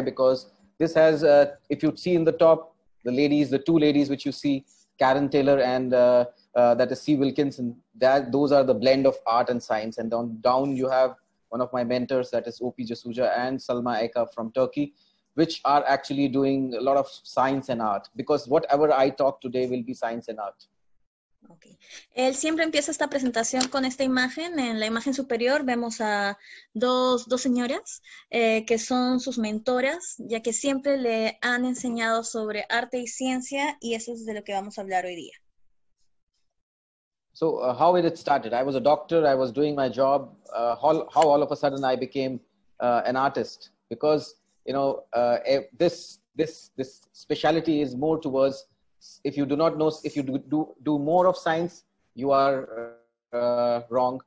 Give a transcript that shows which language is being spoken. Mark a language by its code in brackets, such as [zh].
[en] Because this has, if you see in the top, the ladies, the two ladies which you see, Karen Taylor and that is C. Wilkinson, that those are the blend of art and science. And on down you have one of my mentors, that is O.P. Jasuja and Salma Eka from Turkey, which are actually doing a lot of science and art, because whatever I talk today will be science and art. Okay. [es] Él siempre empieza esta presentación con esta imagen. En la imagen superior vemos a dos señoras que son sus mentoras, ya que siempre le han enseñado sobre arte y ciencia, y eso es de lo que vamos a hablar hoy día. [en] So how did it started? I was a doctor. I was doing my job. How all of a sudden I became an artist? Because you know this specialty is more towards, if you do not know, if you do more of science, you are wrong.